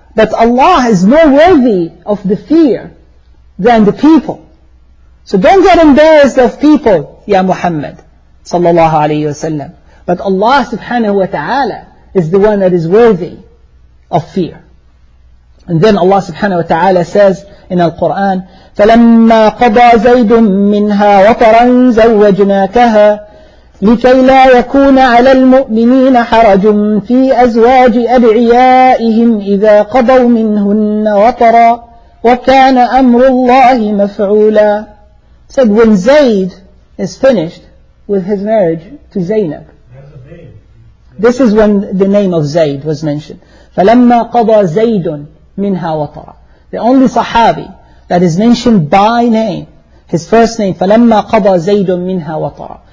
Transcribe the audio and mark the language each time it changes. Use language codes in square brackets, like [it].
[en] that Allah is more worthy of the fear than the people. So don't get embarrassed of people, ya Muhammad, sallallahu alayhi wa sallam. But Allah subhanahu wa ta'ala is the one that is worthy of fear. And then Allah subhanahu wa ta'ala says in Al-Quran, [ar] فَلَمَّا قَضَى زَيْدٌ مِّنْهَا وَطَرًا زَوَّجْنَاكَهَا لِكَيْ لَا يَكُونَ عَلَى الْمُؤْمِنِينَ حَرَجٌ فِي أَزْوَاجِ أَدْعِيَائِهِمْ إِذَا قَضَوْا مِنْهُنَّ وَطَرًا وَكَانَ أَمْرُ اللَّهِ مَفْعُولًا. [en] Said when Zayd is finished with his marriage to Zaynab. This is when the name of Zayd was mentioned. [ar] فَلَمَّا قَضَى زَيْدٌ مِّنْهَا وَطَرًا. [en] The only Sahabi that is mentioned by name, his first name, [ar] فَلَمَّا قَضَى زَيْدٌ مِّنْهَا وَطَرًا.